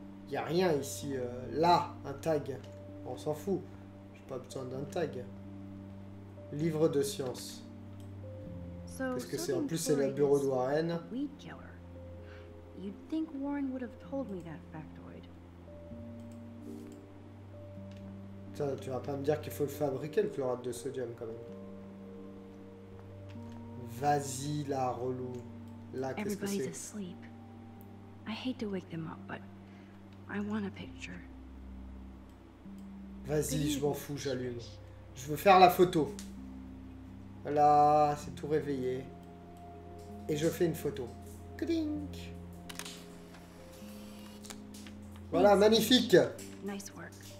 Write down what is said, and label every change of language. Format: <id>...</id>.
<fr>Y a rien ici. Là, un tag. On s'en fout. J'ai pas besoin d'un tag. Livre de science. Parce que c'est en plus c'est le bureau de Warren.</fr> <en>You'd think Warren would have told me that factoid.</en> <fr>Ça, tu vas pas me dire qu'il faut le fabriquer le chlorate de sodium quand même. Vas-y là, relou. Là, qu'est-ce que c'est?</fr> <en>Everybody's asleep. I hate to wake them up, but I want a picture.</en> <fr>Vas-y, je m'en fous, j'allume. Je veux faire la photo. Voilà, c'est tout réveillé. Et je fais une photo. Clink. Voilà, magnifique.</fr> <en>Nice work.</en>